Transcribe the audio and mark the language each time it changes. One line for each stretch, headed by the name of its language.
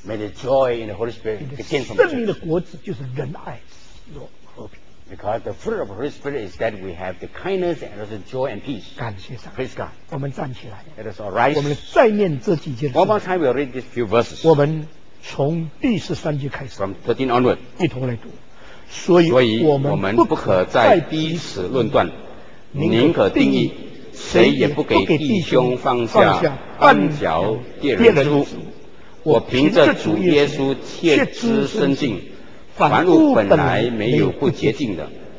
English: May the joy in the Holy Spirit begin from the church.
Chinese: 圣灵的果子就是仁爱、喜乐、和平。
English: Because the fruit of the Holy Spirit is that we have the kindness and also joy and peace.
Chinese: 感谢上帝。
English: Praise God.
Chinese: 我们站起来。
English: Let us all rise.
Chinese: 我们再念这几节。
English: One more time, we'll read these few verses.
Chinese: 我们。从第十三节开始
English: From 13 onward,
Chinese: 一同来读所以我们不可再彼此论断宁可定义谁也不给弟兄放下绊脚跌人的路我凭着主耶稣切知深信凡物本来没有不洁净的